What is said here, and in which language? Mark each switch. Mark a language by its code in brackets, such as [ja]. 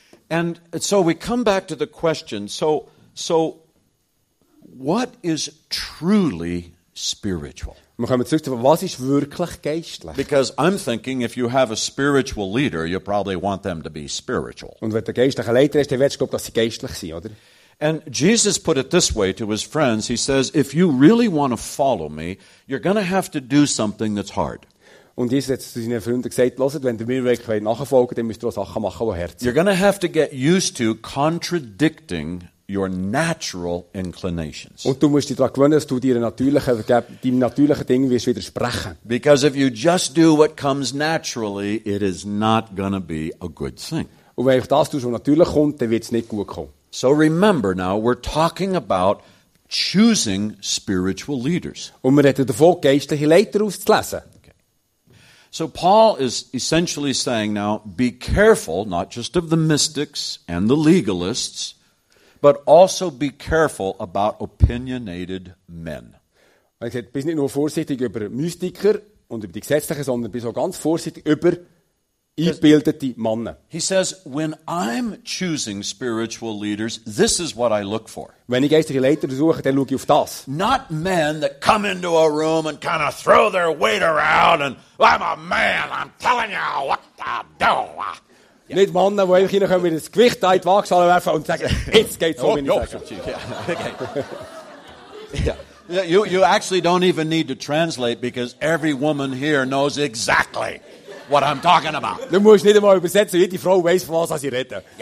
[en] And so we come back to the question, so what is truly spiritual? [de] Was ist wirklich geistlich? [en] Because I'm thinking, if you have a spiritual leader, you probably want them to be spiritual. [de] Und wenn der geistliche Leiter ist, dann willst du glauben, dass sie geistlich sind, oder? [en] And Jesus put it this way to his friends. He says, if you really want to follow me, you're going to have to do something that's hard. [de] Und Jesus hat zu seinen Freunden gesagt, hört, wenn du mir wirklich nachfolgen, dann müsst ihr auch Sachen machen, die hart sind. [en] You're going to have to get used to contradicting your natural inclinations. [de] Und du musst dich daran gewöhnen, dass du deinem natürlichen Ding wirst widersprechen. [en] Because if you just do what comes naturally, it is not going to be a good thing. [de] Und wenn ich das tue, was natürlich kommt, dann wird es nicht gut kommen. [en] So remember now, we're talking about choosing spiritual leaders. [de] Und wir reden davon, geistliche Leiter auszulesen. [en] Okay. So Paul is essentially saying now, be careful, not just of the mystics and the legalists, but also be careful about opinionated men. [de] Er sagt, bist nicht nur vorsichtig über Mystiker und über die Gesetzlichen, sondern bist auch ganz vorsichtig über eingebildete Männer. [en] He says, when I'm choosing spiritual leaders, this is what I look for. [de] Wenn ich geistliche Leiter suche, dann schaue ich auf das. [en] Not men that come into a room and kind of throw their weight around and I'm a man, I'm telling you what to do. Yeah. [de] Nicht Männer, die einfach hineinkommen, mit einem Gewicht in die Waagschale werfen und sagen, jetzt geht's um meine Sache. [en] Yeah. You actually don't even need to translate, because every woman here knows exactly what I'm talking about. [de] Du musst nicht einmal übersetzen, jede Frau weiß, von was sie reden.